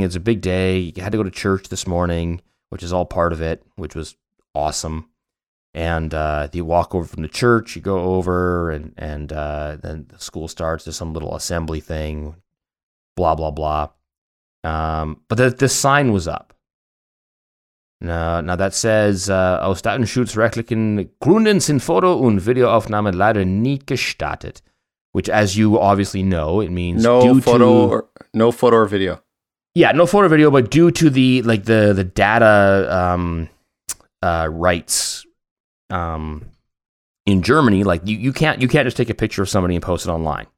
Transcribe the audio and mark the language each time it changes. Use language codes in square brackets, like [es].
[en] It's a big day. You had to go to church this morning, which is all part of it, which was awesome. And you walk over from the church, you go over, and then the school starts. There's some little assembly thing, blah, blah, blah. But the sign was up. Now that says, [de] Aus Datenschutzrechtlichen Gründen sind Foto und Videoaufnahmen leider nicht gestattet. [en] Which, as you obviously know, it means no photo or video. Yeah, no photo or video, but due to the data rights in Germany, like you can't just take a picture of somebody and post it online.